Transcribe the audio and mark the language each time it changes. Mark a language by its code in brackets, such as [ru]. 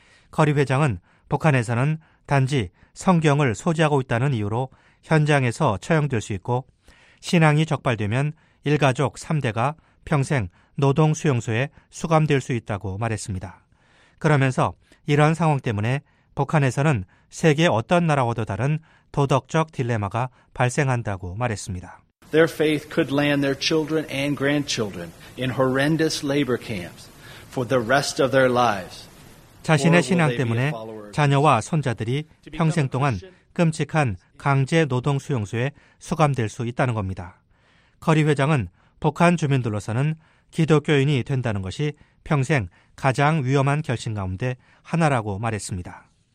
[ko] 커리 회장은 북한에서는 단지 성경을 소지하고 있다는 이유로 현장에서 처형될 수 있고 신앙이 적발되면 일가족 3대가 평생 노동수용소에 수감될 수 있다고 말했습니다. 그러면서 이러한 상황 때문에 북한에서는 세계 어떤 나라와도 다른 도덕적 딜레마가 발생한다고 말했습니다. [en] Their faith could land their children and grandchildren in horrendous labor camps for the rest of their lives. [ko] 자신의 신앙 때문에 자녀와 손자들이 평생 동안 끔찍한 강제 노동 수용소에 수감될 수 있다는 겁니다. 커리 회장은 북한 주민들로서는 기독교인이 된다는 것이 평생 가장 위험한 결심 가운데 하나라고 말했습니다.